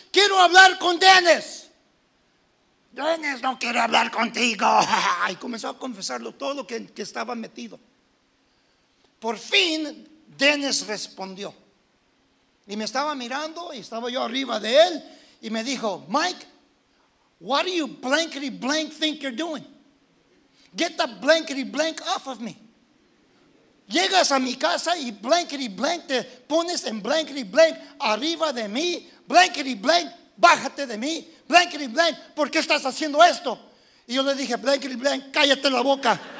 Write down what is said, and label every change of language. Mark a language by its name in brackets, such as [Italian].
[Spanish] Quiero hablar con Dennis. Dennis no quiere hablar contigo. Y comenzó a confesarlo todo lo que estaba metido. Por fin, Dennis respondió. Y me estaba mirando y estaba yo arriba de él. Y me dijo, [English] Mike, what do you blankety blank think you're doing? Get the blankety blank off of me. [Spanish] Llegas a mi casa y blankety blank te pones en blankety blank arriba de mí. Blankety blank, bájate de mí. Blankety blank, ¿por qué estás haciendo esto? Y yo le dije, blankety blank, cállate la boca.